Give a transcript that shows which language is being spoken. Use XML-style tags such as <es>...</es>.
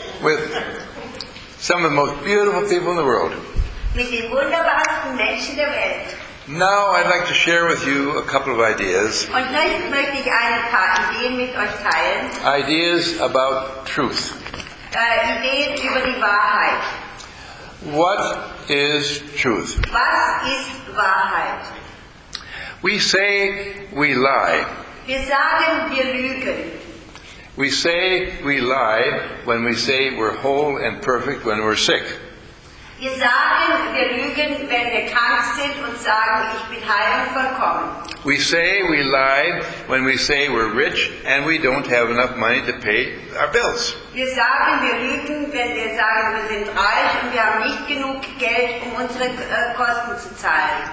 <en>With some of the most beautiful people in the world.</en> <de>Mit den wunderbarsten Menschen der Welt.</de> <en>Now I'd like to share with you a couple of ideas.</en> <de>Und jetzt möchte ich ein paar Ideen mit euch teilen.</de> <en>Ideas about truth.</en> <de>Ideen über die Wahrheit.</de> <en>What is truth?</en> <de>Was ist Wahrheit?</de> <en>We say we lie.</en> <de>Wir sagen, wir lügen.</de> <en>We say we lie when we say we're whole and perfect when we're sick.</en> <de>Wir sagen, wir lügen, wenn wir krank sind und sagen, ich bin heil und vollkommen.</de> <en>We say we lie when we say we're rich and we don't have enough money to pay our bills.</en> <de>Wir sagen, wir lügen, wenn wir sagen, wir sind reich und wir haben nicht genug Geld, um unsere Kosten zu zahlen.</de>